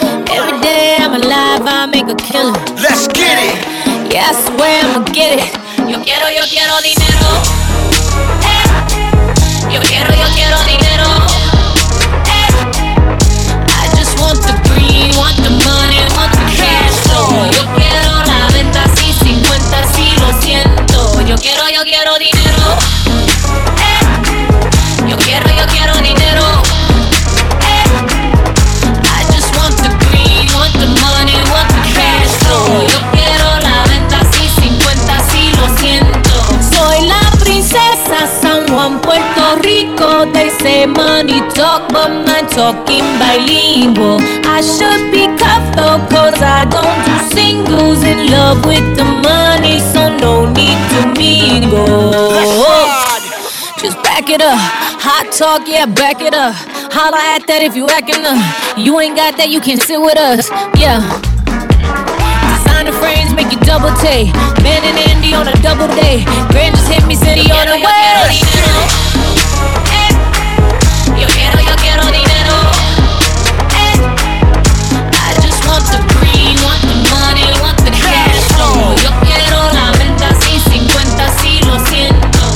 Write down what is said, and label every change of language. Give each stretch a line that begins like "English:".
English: Every day I'm alive, I make a killing. Let's get it. Yeah, I swear I'ma get it.
Spanish: Yo quiero dinero. Hey. Yo quiero dinero. Hey.
English: I just want the green, want the money, want the cash flow.
Spanish: Yo quiero la venta, si, 50, si, lo siento. Yo quiero dinero. Yo quiero dinero.
English: I just want the green, want the money, want the cash flow.
Spanish: Yo quiero la venta, si, 50, si, lo siento. Soy la princesa San Juan, Puerto Rico.
English: They say money talk, but man talking bilingual. I should be careful, cause I don't do singles. In love with the money, so no need to mingle. Just back it up, hot talk, yeah, back it up. Holla at that if you acting up. You ain't got that, you can't sit with us, yeah. Designer frames make you double take. Man and Andy on a double day. Grand just hit me, said he on the way.
Spanish: Yo quiero, yo quiero, yo quiero dinero.
English: I just want the green, want the money, want the cash flow.
Spanish: Yo quiero la venta, si, 50, si, lo siento.